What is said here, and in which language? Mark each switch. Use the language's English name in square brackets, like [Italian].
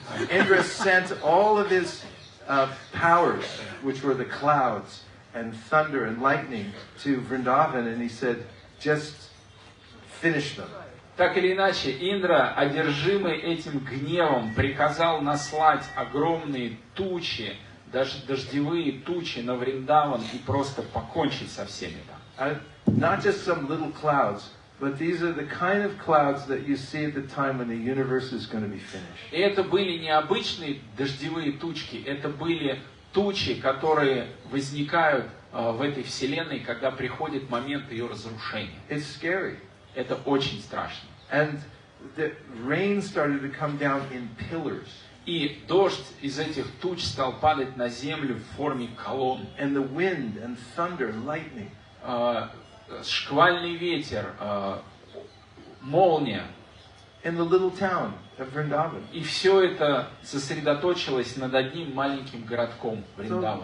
[English] Indra sent all of his powers, which were the clouds and thunder and lightning, to Vrindavan, and he said, just finish them. [Russian] Так или иначе, Индра, одержимый этим гневом, приказал наслать огромные тучи, даже дождевые тучи на Вриндаван и просто покончить со всеми там. [English] Not just some little clouds, but these are the kind of clouds that you see at the time when the universe is going to be finished. [Russian] И это были не обычные дождевые тучки, это были тучи, которые возникают в этой вселенной, когда приходит момент ее разрушения. [English] It's scary. [Russian] Это очень страшно. [English] And the rain started to come down in pillars. [Russian] И дождь из этих туч стал падать на землю в форме колонн. [English] And the wind and thunder, lightning. [Russian] Шквальный ветер, молния. [English] In the little town of Vrindavan. [Russian] И все это сосредоточилось над одним маленьким городком Вриндаваном.